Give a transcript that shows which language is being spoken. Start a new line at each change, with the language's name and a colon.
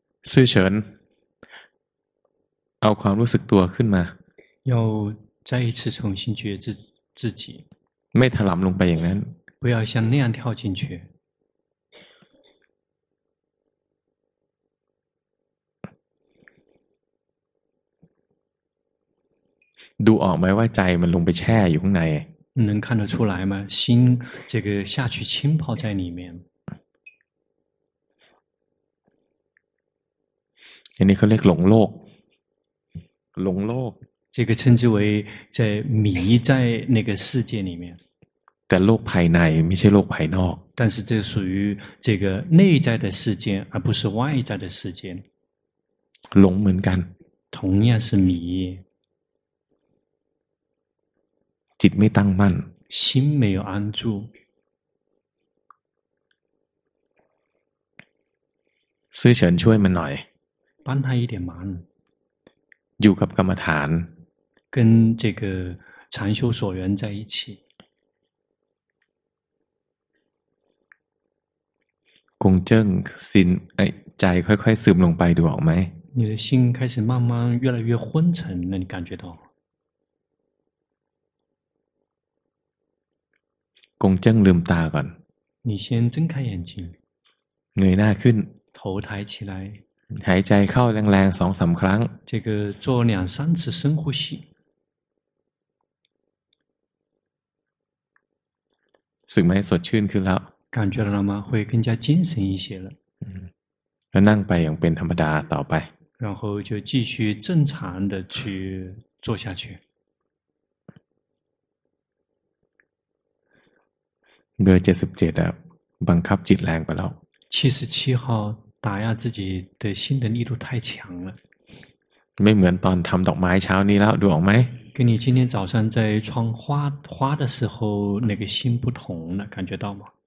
Thai: ซื่อเฉินเอาความรู้สึกตัวขึ้นมา
Chinese: 要再一次重新觉知自己
Thai: ไม่ถลำลงไปอย่างนั้น
Chinese: 不要像那样跳进去
Thai: ดูออกไหมว่าใจมันลงไปแช่อยู่ข้างใน
Chinese: 能看得出来吗心这个下去浸泡在里面
Thai: อันนี้เขาเรียกหลงโลกหลงโลก
Chinese: 这个称之为在迷在那个世界里面
Thai: 但โลกภายในไม่ใช่โลกภายนอก
Chinese: 但是这属于这个内在的世界而不是外在的世界
Thai: หลงเหมือนกัน
Chinese: 同样是迷
Thai: จิตไม่ตั้งมั่น
Chinese: 心没有安住
Thai: ซื้อเฉินช่วยมันหน่อย ปั้นให้
Chinese: 一点忙
Thai: อยู่กับกรรมฐาน
Chinese: 跟这个禅修所缘在一起
Thai: คงเจิ้งสินใจค่อยๆซึมลงไปดูออกไหม
Chinese: 你的心开始慢慢越来越昏沉那你感觉到
Thai: คงเจิ้งลืมตาก่อน
Chinese: 你先睁开眼睛
Thai: เงยหน้าขึ้น
Chinese: 头抬起来
Thai: หายใจเข้าแรงๆ 2-3 ครั้ง
Chinese: 这个做两三次深呼吸
Thai: สึกไหมสดชื่นขึ้นแล้ว
Chinese: 感觉了吗会更加精神一些了
Thai: แล้วนั่งไปอย่างเป็นธรรมดาต่อไป
Chinese: 然后就继续正常的去做下去
Thai: เบอร์77อะบังคับจิตแรงไปแล้ว
Chinese: 77号打压自己的心的力度太强了
Thai: ไม่เหมือนตอนทำดอกไม้เช้านี้แล้วดูออกไหม กับ
Chinese: 你今天早上在窗花花的时候那个心不同了感觉到吗